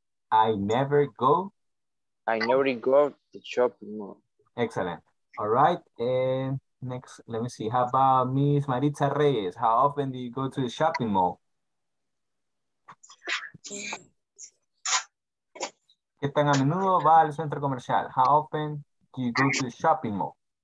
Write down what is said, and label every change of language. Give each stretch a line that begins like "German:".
English: I never go to the shopping mall. Excellent. All right. And next, let me see. How about Miss Maritza Reyes? How often do you go to the shopping mall?
Spanish: ¿Qué tan a menudo va al centro comercial?
English: How often do you go to the shopping mall?